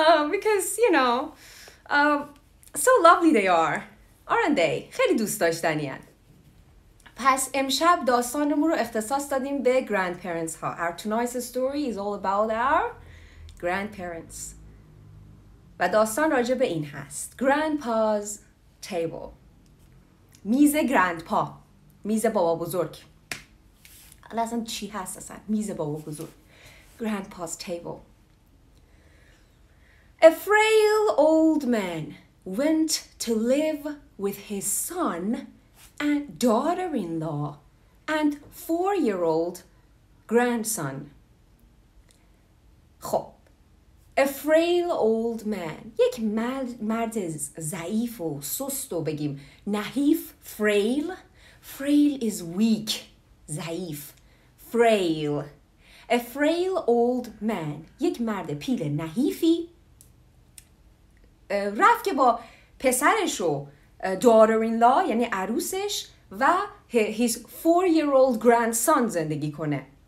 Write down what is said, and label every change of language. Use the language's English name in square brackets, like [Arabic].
[English] because you know so lovely they are, aren't they? [Persian] خیلی دوست داشتنین. پس امشب داستانمون رو اختصاص دادیم به گراندپرنت ها. [English] Our tonight's story is all about our grandparents. [Persian] و داستان راجع به این هست. [English] Grandpa's table. [Persian] میز گراندپا. میز بابا بزرگ. الان چی هست اصلا؟ میز بابا بزرگ. [English] Grandpa's table. A frail old man went to live with his son and daughter-in-law and four-year-old grandson. خب. A frail old man. [Persian] یک مرد ضعیف و سست و بگیم نحیف. [English] Frail. Frail is weak. ضعیف. Frail. A frail old man. [Persian] یک مرد پیل نحیفی رفت که با پسرش و daughter-in-law یعنی عروسش و [English] his four-year-old grandson [Persian] زندگی کنه.